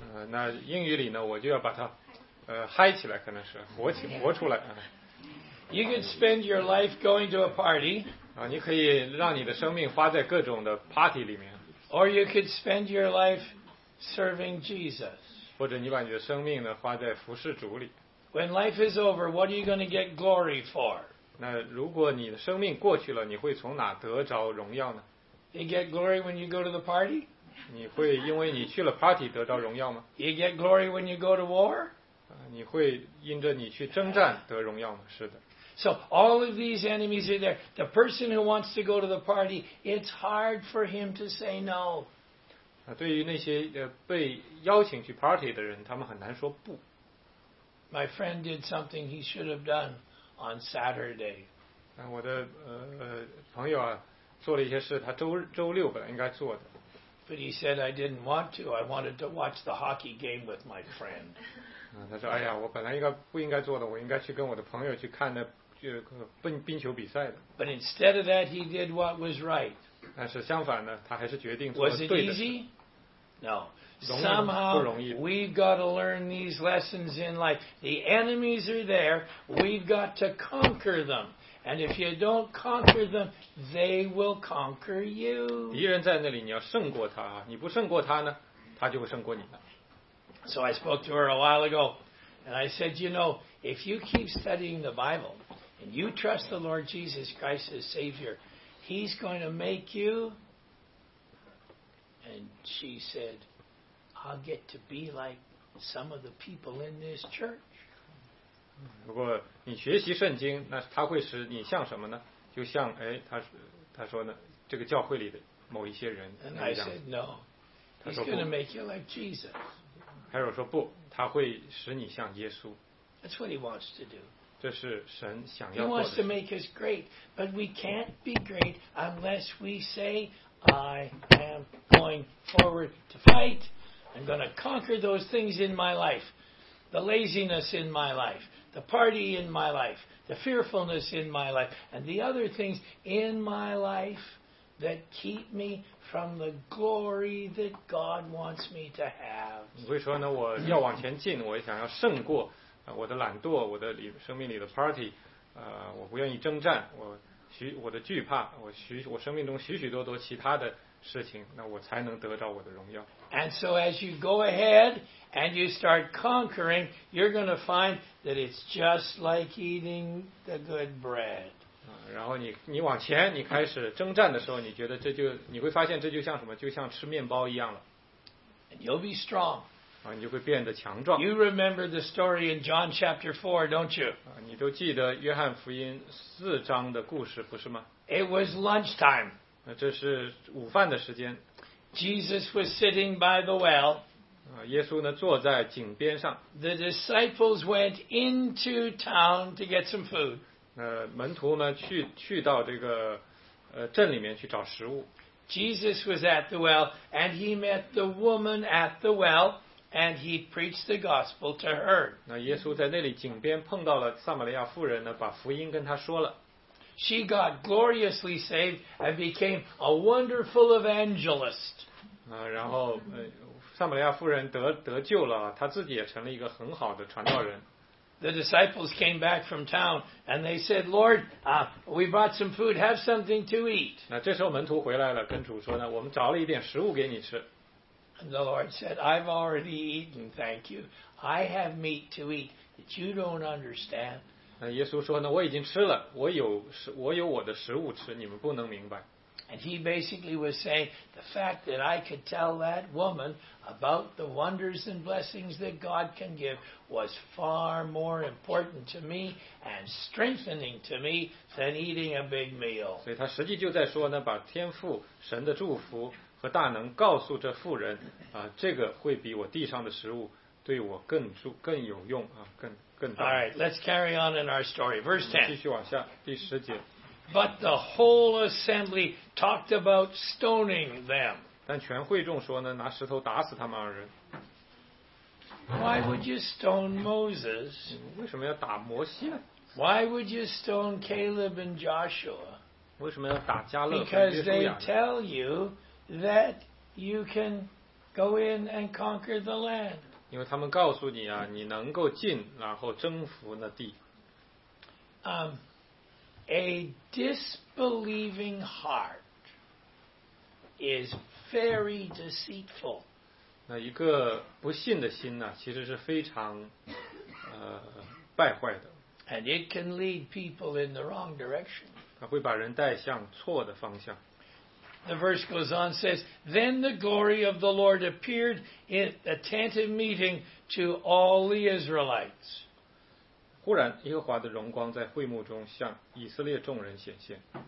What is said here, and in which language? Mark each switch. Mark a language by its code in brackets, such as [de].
[zh] 那英语里呢，我就要把它。嗨起来可能是活起活出来。 [en] You could spend your life going to a party. [zh] 你可以让你的生命花在各种的 party 里面。 [en] Or you could spend your life serving Jesus. [zh] 或者你把你的生命呢花在服侍主里。 [en] When life is over, what are you going to get glory for? [zh] 那如果你的生命过去了，你会从哪得着荣耀呢？ [en] You get glory when you go to the party? [zh] 你会因为你去了 party 得着荣耀吗？ [en] You get glory when you go to war? [zh] 你会因着你去征战得荣耀吗？是的。 [en] So all of these enemies are there. The person who wants to go to the party, it's hard for him to say no. [zh] 对于那些被邀请去 party 的人，他们很难说不。 [en] My friend did something he should have done on Saturday. [zh] 我的朋友啊，做了一些事，他周六本来应该做的。 [en] But he said I didn't want to. I wanted to watch the hockey game with my friend. [zh] 他说：“哎呀，我本来应该不应该做的，我应该去跟我的朋友去看那冰球比赛的。” [en] But instead of that, he did what was right. [zh] 但是相反呢，他还是决定做了对的事。 [en] Was it easy? No. Somehow, we've got to learn these lessons in life. The enemies are there. We've got to conquer them. And if you don't conquer them, they will conquer you. [zh] 敌人在那里，你要胜过他啊！你不胜过他呢，他就会胜过你的。 [en] So I spoke to her a while ago, and I said, you know, if you keep studying the Bible, and you trust the Lord Jesus Christ as Savior, He's going to make you. And she said, I'll get to be like some of the people in this church. [zh] 如果你学习圣经，那他会使你像什么呢？就像他说呢，这个教会里的某一些人一样。 [en] And I said, no. He's going to make you like Jesus. [zh] 凯尔说不，他会使你像耶稣。 [en] That's what he wants to do. [zh] 这是神想要做 [en] 的。He wants to make us great, but we can't be great unless we say, I am going forward to fight. I'm going to conquer those things in my life. The laziness in my life. The party in my life. The fearfulness in my life. And the other things in my life that keep me from the glory that God wants me to have. [zh] 你会说呢，我要往前进，我想要胜过我的懒惰，我的生命里的 party， 我不愿意征战，我的惧怕，我生命中许许多多其他的事情，那我才能得到我的荣耀。 [en] And so as you go ahead and you start conquering, you're going to find that it's just like eating the good bread. [zh] 然后你往前，你开始征战的时候，你觉得这就你会发现这就像什么，就像吃面包一样了。 [en] And you'll be strong. [zh] 你就会变得强壮。 [en] You remember the story in John chapter 4, don't you? [zh] 你都记得约翰福音四章的故事，不是吗？ [en] It was lunchtime. [zh] 这是午饭的时间。 [en] Jesus was sitting by the well. [zh] 耶稣呢坐在井边上。 [en] The disciples went into town to get some food. [zh] 门徒呢去到这个镇里面去找食物。 [en] Jesus was at the well, and he met the woman at the well, and he preached the gospel to her. [zh] 那耶稣在那里井边碰到了撒玛利亚妇人呢，把福音跟她说了。 [en] She got gloriously saved and became a wonderful evangelist. [zh] 然后撒玛利亚妇人得救了，她自己也成了一个很好的传道人。 [en] The disciples came back from town and they said, Lord, we brought some food. Have something to eat. [zh] 那这时候门徒回来了，跟主说呢，我们找了一点食物给你吃。 [en] And the Lord said, I've already eaten, thank you. I have meat to eat that you don't understand. [zh] 耶稣说呢，我已经吃了，我有我的食物吃，你们不能明白。 [en] And he basically was saying the fact that I could tell that woman about the wonders and blessings that God can give was far more important to me and strengthening to me than eating a big meal. [zh] 所以他实际就在说呢，把天父神的祝福和大能告诉这妇人，这个会比我地上的食物对我更有用啊，更大。 [en] All right, let's carry on in our story. Verse 10. [zh] 继续往下，第十节。 [en] But the whole assembly talked about stoning them. [zh] 但全会众说呢，拿石头打死他们二人。 [en] Why would you stone Moses? [zh] 为什么要打摩西呢？ [en] Why would you stone Caleb and Joshua? [zh] 为什么要打加勒和约书亚？ [en] Because they tell you that you can go in and conquer the land. [zh] 因为他们告诉你啊，你能够进，然后征服那地。 [en] A disbelieving heart is very deceitful. [zh] 那一个不信的心呢，其实是非常败坏的。 [en] And it can lead people in the wrong direction. [zh] 它会把人带向错的方向。 [en] The verse goes on and says, Then the glory of the Lord appeared in the tent of meeting to all the Israelites. [zh] 忽然耶和华的荣光在会幕中向以色列众人显现。